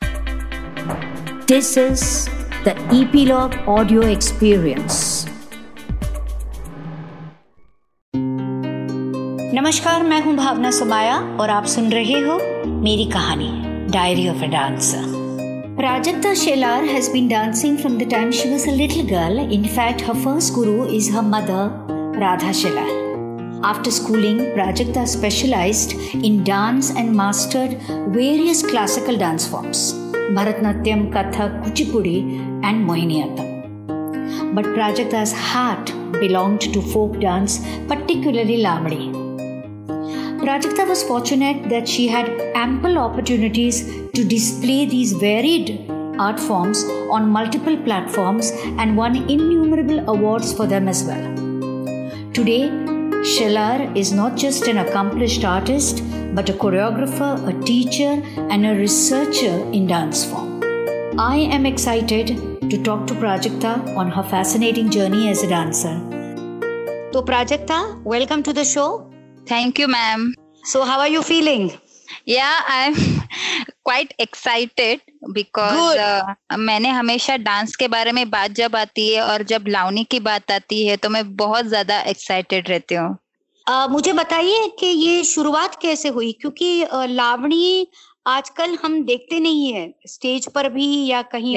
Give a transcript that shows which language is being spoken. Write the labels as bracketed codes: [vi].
[en] This is the Epilogue Audio Experience. [hi] नमस्कार, मैं हूं भावना सुमाया और आप सुन रहे हो मेरी कहानी diary of a dancer. [en] Prajakta Shelar has been dancing from the time she was a little girl. In fact her first guru is her mother Radha Shelar. After schooling, Prajakta specialized in dance and mastered various classical dance forms, Bharatanatyam, Kathak, Kuchipudi and Mohiniyattam. But Prajakta's heart belonged to folk dance, particularly Lamadi. Prajakta was fortunate that she had ample opportunities to display these varied art forms on multiple platforms and won innumerable awards for them as well. Today, Shelar is not just an accomplished artist, but a choreographer, a teacher, and a researcher in dance form. I am excited to talk to Prajakta on her fascinating journey as a dancer. So, Prajakta, welcome to the show. Thank you, ma'am. So, how are you feeling? Yeah, I'm quite excited because [hi] मैंने हमेशा dance के बारे में बात जब आती है और जब लावणी की बात आती है तो मैं बहुत ज्यादा एक्साइटेड रहती हूँ। मुझे बताइए कि ये शुरुआत कैसे हुई, क्योंकि लावणी आजकल हम देखते नहीं है स्टेज पर भी या कहीं